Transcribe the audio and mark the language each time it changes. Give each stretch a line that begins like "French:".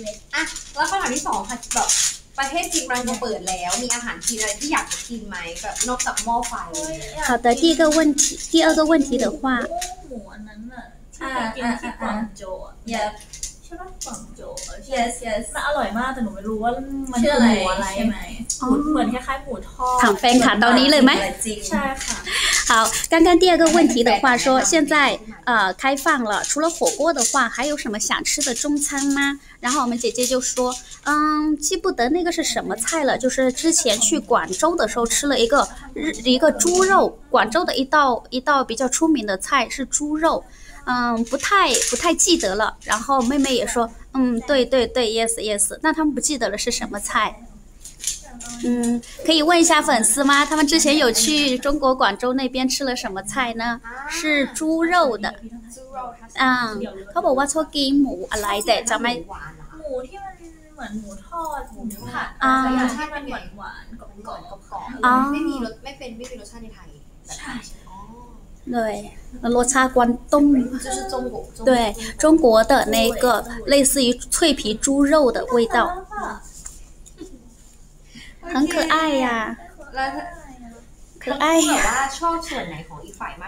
Chinese: 啊，然后第二个是
Thai: ประเทศจีนมันก็เปิดแล้วมีอาหารจีนอะไรที่อยากกินไหมแบบนอกจากหม้อไฟ
Chinese: 好的第一个问题第二个问题的话
Thai: หมูอันนั้นอะที่ไปกินที่กวางโจวใช่ป่ะกวางโจว
English: yes yes
Thai: มันอร่อยมากแต่หนูไม่รู้ว่ามันคือหมูอะไรใช่ไหมเหมือนคล้ายๆหมูทอด ถามแฟนค่ะตอนนี้เลยไหม ใช่ค่ะ
Chinese: 好，刚刚第二个问题的话说，现在开放了，除了火锅的话，还有什么想吃的中餐吗？然后我们姐姐就说，嗯，记不得那个是什么菜了，就是之前去广州的时候吃了一个猪肉，广州的一道比较出名的菜是猪肉，嗯，不太记得了。然后妹妹也说，嗯，对对对 ，
English: yes yes，
Chinese: 那他们不记得了是什么菜。嗯，可以问一下粉丝吗？他们之前有去中国广州那边吃了什么菜呢？是猪肉的。
Thai: 嗯，เขาบอกว่าชอบกินหมูอะไรแต่จำไม่ หมูที่มันเหมือนหมูทอดหมูผั ด รสชา ติมัน หวานๆกรอบๆ ไม่มีรสชาติในไทย ใช่ใช่อ๋อ对，รสชาติ关东
Chinese: 就是中国对中国的那个类似于脆皮猪肉的味道。很可爱呀，可爱呀。那你说，喜欢哪个一方吗？